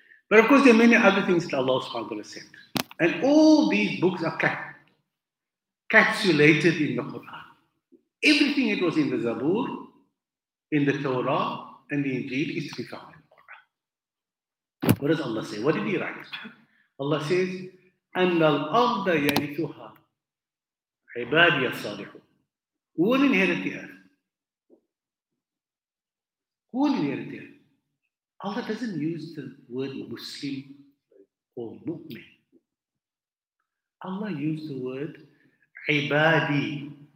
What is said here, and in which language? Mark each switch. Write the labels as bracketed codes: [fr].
[en] But of course, there are many other things that Allah subhanahu wa ta'ala sent. And all these books are kept. encapsulated in the Quran. Everything that was in the Zabur, in the Torah, and the Injil is become in the Quran. What does Allah say? What did He write? Allah says, [ar] أَنَّ الْأَرْضَ يَرِثُهَا عِبَادِيَ الصَّالِحُ. [en] Who will inherit the earth? Who will inherit the earth? Allah doesn't use the word Muslim or Mu'min. Allah used the word عِبَادِي.